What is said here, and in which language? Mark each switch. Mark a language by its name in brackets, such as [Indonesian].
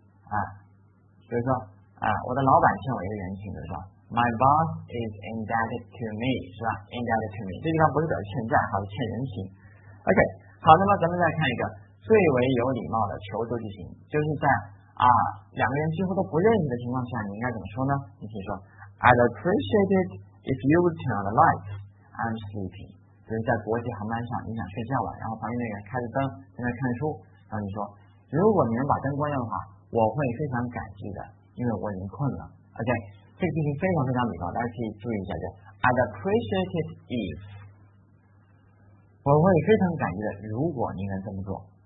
[Chinese] 啊，比如说啊，我的老板欠我一个人情的是吧 ？ [English] My boss is indebted to me， [Chinese] 是吧 ？ [English] Indebted to me， [Chinese] 这地方不是表示欠债，而是欠人情。 OK， 好，那么咱们再看一个最为有礼貌的求助句型，就是在啊两个人几乎都不认识的情况下，你应该怎么说呢？你可以说 [English] ，I'd appreciate it if you would turn on the lights， I'm sleeping。 [Chinese] 就是在国际航班上，你想睡觉了，然后旁边那个人开着灯在那看书，然后你说，如果你能把灯关掉的话，我会非常感激的，因为我已经困了。OK， 这个句型非常非常礼貌，大家可以注意一下，就 [English] I'd appreciate it if， [Chinese] 我会非常感激的，如果你能这么做。